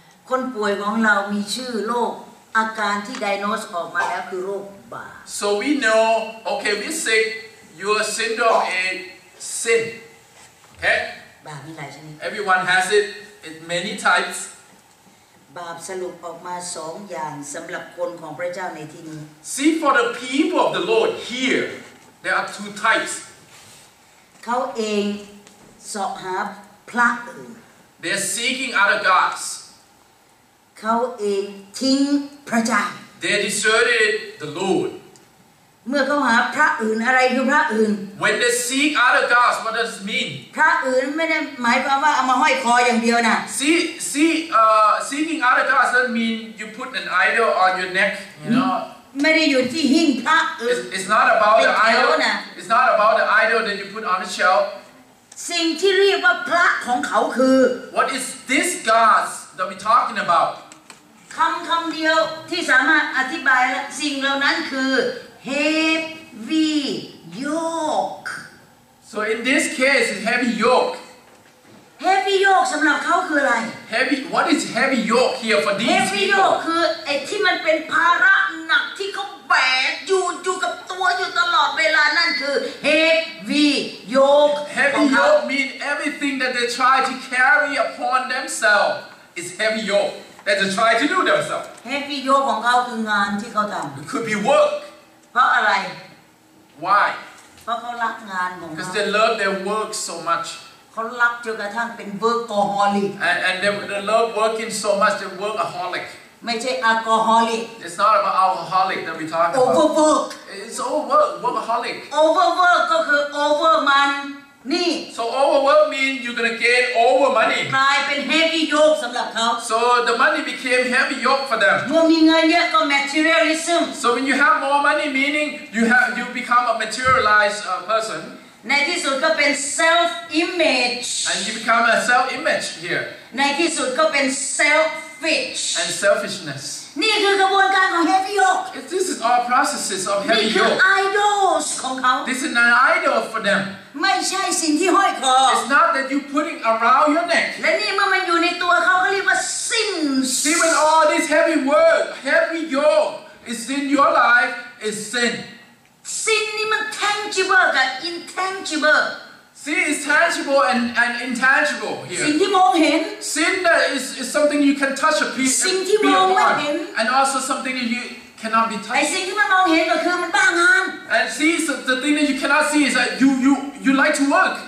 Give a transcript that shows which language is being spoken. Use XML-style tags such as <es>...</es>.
<th>คนป่วยของเรามีชื่อโรคอาการที่ diagnose ออกมาแล้วคือโรคบาป</th> <en>So we know. Okay, we sick. Your syndrome is sin. Okay.</en> <th>บาปมีหลายชนิด</th> <en>Everyone has it. It many types</en> <th>บาปสรุปออกมา2อย่างสําหรับคนของพระเจ้าในที่นี้</th> <en>See for the people of the Lord here there are two types</en> <th>เขาเองสอบหาพระอื่น</th> <en>They're seeking other gods</en> <th>เขาเองทิ้งพระเจ้า</th> <en>They deserted the Lord</en> <th>เมื่อเขาหาพระอื่นอะไรคือพระอื่น</th> <en>When they seek other gods what does it mean</en> <th>พระอื่นไม่ได้หมายความว่าเอามาห้อยคออย่างเดียวนะ</th> <en>seeking other gods doesn't mean you put an idol on your neck you know</en> <th>ไม่ได้อยู่ที่หิ้งพระอื่น</th> <en>it's not about the idol it's not about the idol that you put on the shelf</en> <th>สิ่งที่เรียกว่าพระของเขาคือ</th> <en>what is this gods that we're talking about</en> <th>คำเดียวที่สามารถอธิบายสิ่งเหล่านั้นคือHeavy yoke.</th> <en>So in this case, it's heavy yoke.</en> <th>Heavy yoke สำหรับเขาคืออะไร</th> <en>Heavy. What is heavy yoke here for these heavy people?</en> <th>Heavy yoke คือไอ้ที่มันเป็นภาระหนักที่เขาแบกอยู่กับตัวอยู่ตลอดเวลานั่นคือ heavy yoke.</th> <en>Heavy yoke means everything that they try to carry upon themselves is heavy yoke that they try to do themselves.</en> <th>Heavy yoke ของเขาคืองานที่เขาทำ</th> <en>It could be work.</en> <th>เพราะอะไร</th> <en>Why</en> <th>เพราะเขารักงานของเขา</th> <en>Because they love their work so much</en> <th>เขารักจนกระทั่งเป็น workaholic</th> <en>And they love working so much they're workaholic</en> <th>ไม่ใช่ alcoholic</th> <en>It's not about alcoholic that we talk about Overwork It's overwork workaholic</en> <th>Overwork ก็คือ over</th> <en>money So overwork means you're gonna get over money</en> <th>กลายเป็น heavy yoke สำหรับเขา</th> <en>So the money became heavy yoke for them</en> <th>เมื่อมีเงินเยอะก็ materialism</th> <en>So when you have more money meaning you become a materialized person</en> <th>ในที่สุดก็เป็น self image</th> <en>And you become a self image here</en> <th>ในที่สุดก็เป็น selfish</th> <en>And selfishness</en> <th>นี่คือกระบวนการของ heavy yoke</th> <en>This is our processes of heavy yoke</en> <th>นี่คือ idols ของเขา</th> <en>This is an idol for them</en> <th>ไม่ใช่สิ่งที่ห้อยคอ</th> <en>It's not that you putting around your neck</en> <th>และนี่เมื่อมันอยู่ในตัวเขาเขาเรียกว่า sins</th> <en>See when all this heavy work heavy yoke is in your life is sin</en> <th>Sin นี่มัน tangible กับ intangible</th> <en>See it's tangible and intangible here</en> <th>สิ่งที่มองเห็น</th> <en>Sin that is something you can touch a piece</en> <th>สิ่งที่มองไม่เห็น</th> <en>and also something that youCannot be touched.</en> <th>ไอ้สิ่งที่มันมองเห็นก็คือมันบ้างาน</th> <en>And see, so the thing that you cannot see is that you like to work.</en>